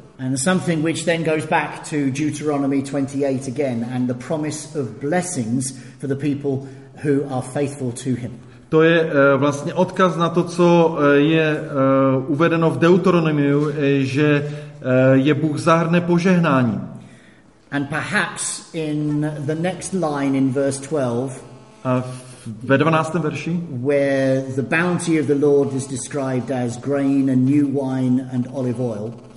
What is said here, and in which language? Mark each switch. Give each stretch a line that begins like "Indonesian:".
English: And something which then goes back to Deuteronomy 28 again and the promise of blessings for the people who are faithful to him.
Czech: To je vlastně odkaz na to, co je uvedeno v Deuteronomiu, že je Bůh zahrne požehnání.
English: And perhaps in the next line in verse 12
Czech: ve 12. verši,
English: where the bounty of the Lord is described as grain and new wine and olive oil.